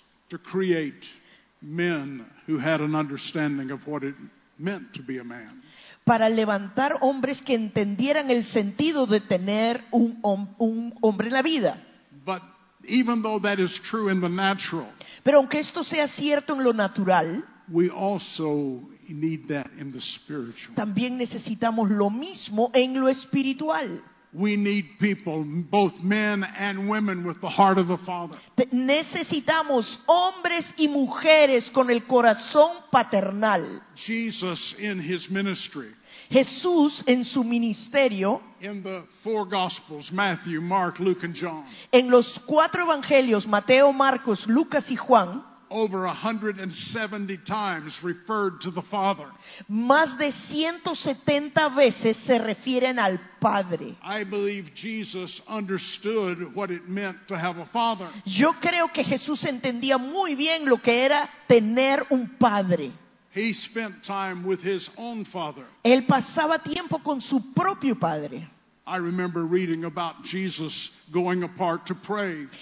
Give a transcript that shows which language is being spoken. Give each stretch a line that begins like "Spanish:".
English: To create men who had an understanding of what it meant to be a man.
Spanish: Para levantar hombres que entendieran el sentido de tener un hombre en la vida.
English: But even though that is true in the natural,
Spanish: pero aunque esto sea cierto en lo natural,
English: we also need that in the spiritual.
Spanish: También necesitamos lo mismo en lo espiritual.
English: We need people, both men and women, with the heart of the Father.
Spanish: Necesitamos hombres y mujeres con el corazón paternal.
English: Jesus in his ministry.
Spanish: Jesús en su ministerio.
English: In the four Gospels, Matthew, Mark, Luke, and John.
Spanish: En los cuatro evangelios, Mateo, Marcos, Lucas y Juan.
English: Over 170 times referred to the Father.
Spanish: Más de 170 veces se refieren al Padre.
English: I believe Jesus understood what it meant to have a father.
Spanish: Yo creo que Jesús entendía muy bien lo que era tener un padre.
English: He spent time with his own father.
Spanish: Él pasaba tiempo con su propio padre.
English: I remember reading about Jesus going apart to pray.